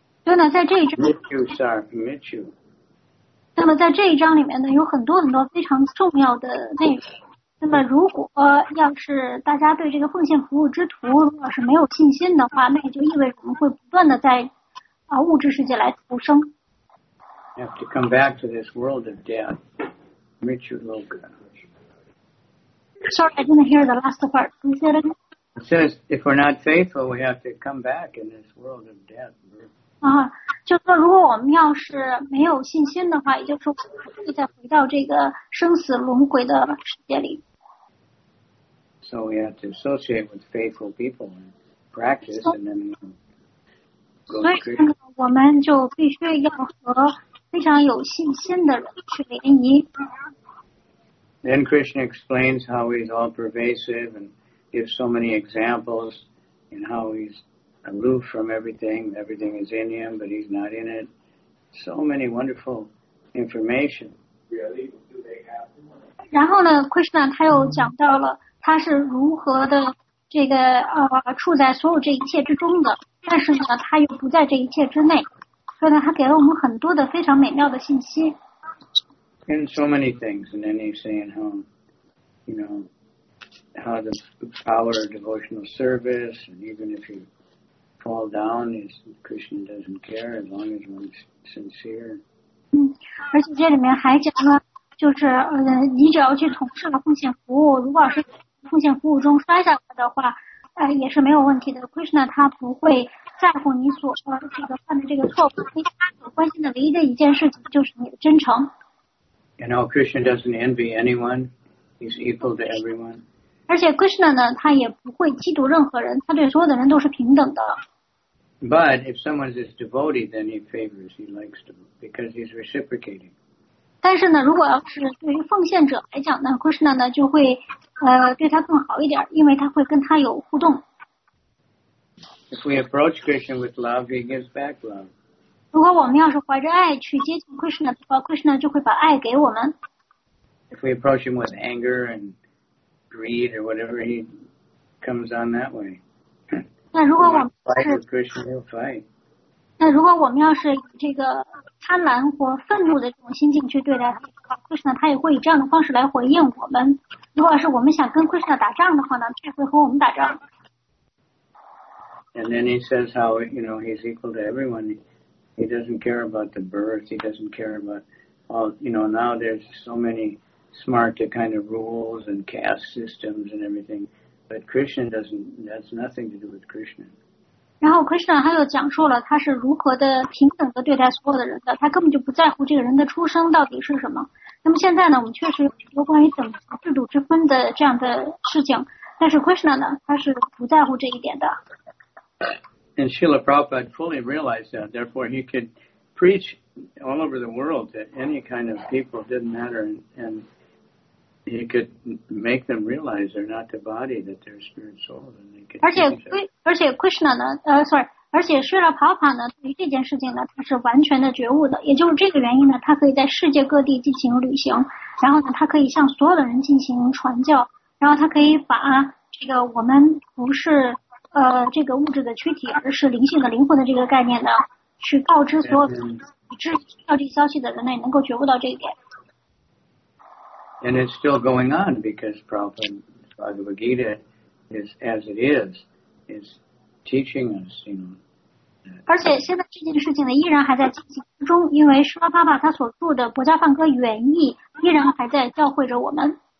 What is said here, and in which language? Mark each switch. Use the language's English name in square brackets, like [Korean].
[Chinese] 对呢，在这一章 Mithu. 那么在这一章里面呢，有很多很多非常重要的内容。那么如果要是大家对这个奉献服务之途如果是没有信心的话，那也就意味着我们会不断的在物质世界来投生。 [English] Have to come back to this world of death, Mithu Loka. Sorry, I didn't hear the last part. Can you say it again? It says, if we're not faithful, we have to come back in this world of death. [Chinese] 就是说如果我们要是没有信心的话，也就是会再回到这个生死轮回的世界里。 [English] So we have to associate with faithful people and practice, and then go to Krishna. [Chinese] 所以我们就必须要和非常有信心的人去联谊。 [English] Then Krishna explains how he's all pervasive and gives so many examples, and how he's aloof from everything. Everything is in him, but he's not in it. So many wonderful information. Really? [Chinese] 然后呢 ，Krishna 他又讲到了他是如何的这个处在所有这一切之中的，但是呢，他又不在这一切之内。所以呢，他给了我们很多的非常美妙的信息。 [English] And so many things, and then he's saying how, you know, how the power of devotional service, and even if you fall down, Krishna doesn't care as long as one's sincere. [Chinese] 而且这里面还讲了，就是你只要去从事了奉献服务，如果是奉献服务中摔下来的话，也是没有问题的。 Krishna 他不会在乎你所这个犯的这个错误，因为他所关心的唯一的一件事情就是你的真诚。 [English] You know, Krishna doesn't envy anyone. He's equal to everyone. [Chinese] 而且 Krishna 呢，他也不会嫉妒任何人，他对所有的人都是平等的。 [English] But if someone is devoted, then he favors, he likes to, because he's reciprocating. [Chinese] 但是呢，如果要是对于奉献者来讲呢 ，Krishna 呢就会对他更好一点，因为他会跟他有互动。 [English] If we approach Krishna with love, he gives back love. [Chinese] 如果我们要是怀着爱去接近 Krishna 的话 ，Krishna 就会把爱给我们。 [English] If we approach him with anger and greed or whatever, he comes on that way. [Chinese] 那如果我们是 [English] fight with Krishna, he'll fight. [Chinese] 那如果我们要是这个贪婪或愤怒的这种心境去对待他的话 ，Krishna 他也会以这样的方式来回应我们。如果是我们想跟 Krishna 打仗的话呢，他也会和我们打仗。 [English] And then he says how, you know, he's equal to everyone. He doesn't care about the birth. He doesn't care about all, you know, now there's so many smart kind of rules and caste systems and everything. But Krishna doesn't, that's nothing to do with Krishna. [Chinese] 然后 Krishna 他又讲述了他是如何的平等的对待所有的人的，他根本就不在乎这个人的出生到底是什么。那么现在呢，我们确实有很多关于等级制度之分的这样的事情，但是 Krishna 呢，他是不在乎这一点的。 [English] And Srila Prabhupada fully realized that, therefore he could preach all over the world to any kind of people, didn't matter, and he could make them realize they're not the body, that they're spirit soul. And they could [Chinese] 而且 Krishna 呢，而且 Srila Prabhupada 呢，对于这件事情呢，他是完全的觉悟的，也就是这个原因呢，他可以在世界各地进行旅行，然后呢，他可以向所有的人进行传教，然后他可以把这个我们不是这个物质的躯体，而是灵性的灵魂的这个概念呢，去告知所有已知到这个消息的人类能够觉悟到这一点。 [English] And it's still going on because Prabhupada Bhagavad Gita is as it is teaching us, you know. [Chinese] 而且现在这件事情呢依然还在进行中，因为沙巴巴他所著的《薄伽梵歌》原意依然还在教会着我们。